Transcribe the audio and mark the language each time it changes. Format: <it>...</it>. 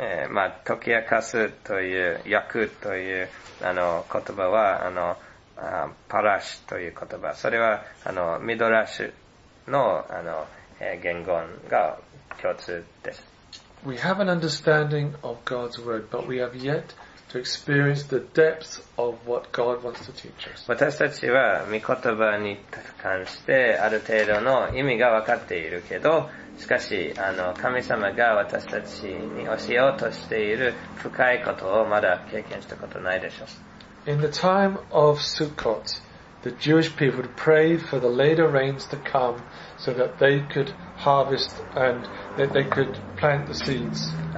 <ja>まあ、解き明かすという、訳という、言葉は、パラシという言葉。それは、ミドラシュの、言語が共通です。</ja> <en>We have an understanding of God's word, but we have yet to experience the depths of what God wants to teach us.</en> <ja>私たちは、御言葉に関して、ある程度の意味が分かっているけど、しかし、神様が私たちに教えようとしている深いことをまだ経験したことないでしょう。</ja> <en>In the time of Sukkot, the Jewish people would pray for the later rains to come so that they could harvest and that they could plant the seeds.</en>